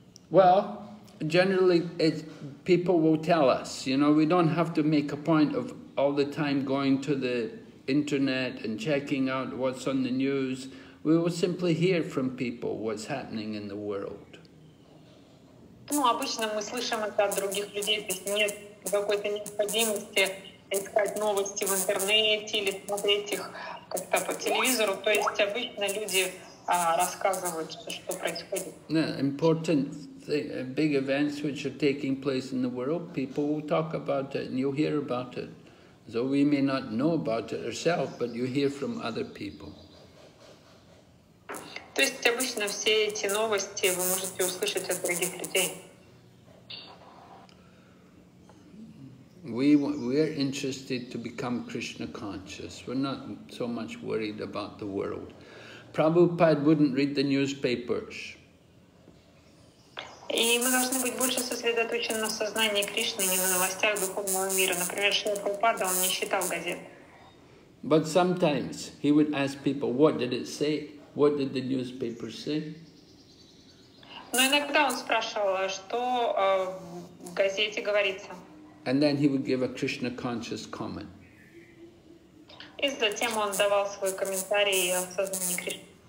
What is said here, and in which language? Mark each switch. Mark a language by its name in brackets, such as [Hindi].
[English] Well, generally, people will tell us, you know, we don't have to make a point of all the time going to the internet and checking out what's on the news. We will simply hear from people what's happening in the world. [Russian] Ну, обычно мы слышим это от других людей, то есть нет какой-то необходимости искать новости в интернете или смотреть их как-то по телевизору. То есть обычно люди рассказывают, что происходит. [English] Yeah, important. The big events which are taking place in the world, people will talk about it and you'll hear about it. So we may not know about it ourselves, but you hear from other people. [Russian] То есть обычно все эти новости вы можете услышать от других людей. [English] We are interested to become Krishna conscious. We're not so much worried about the world. Prabhupada wouldn't read the newspapers. [Russian] И мы должны быть больше сосредоточены на сознании Кришны, не на новостях духовного мира. Например, Шрила Прабхупада, он не читал газет. [English] But sometimes he would ask people, what did it say? What did the newspaper say? [Russian] Но иногда он спрашивал, что в газете говорится. [English] And then he would give a Krishna conscious comment. [Russian] И затем он давал свой комментарий о сознании Кришны.